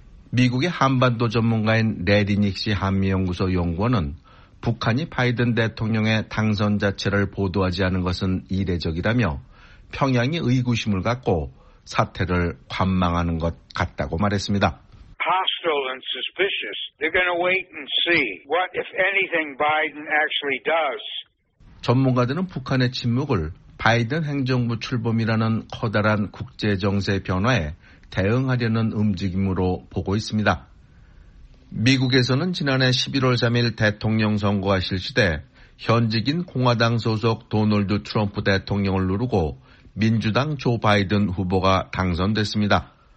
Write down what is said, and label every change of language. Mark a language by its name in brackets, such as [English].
[Korean] 미국의 한반도 전문가인 레디닉시 한미연구소 연구원은 북한이 바이든 대통령의 당선 자체를 보도하지 않은 것은 이례적이라며 평양이 의구심을 갖고 사태를 관망하는 것 같다고 말했습니다. [English] Hostile and suspicious. They're going to wait and see what, if anything, Biden actually does. [Korean] 전문가들은 북한의 침묵을 바이든 행정부 출범이라는 커다란 국제정세 변화에 대응하려는 움직임으로 보고 있습니다. 미국에서는 지난해 11월 3일 대통령 선거가 실시돼 현직인 공화당 소속 도널드 트럼프 대통령을 누르고 민주당 조 바이든 후보가 당선됐습니다.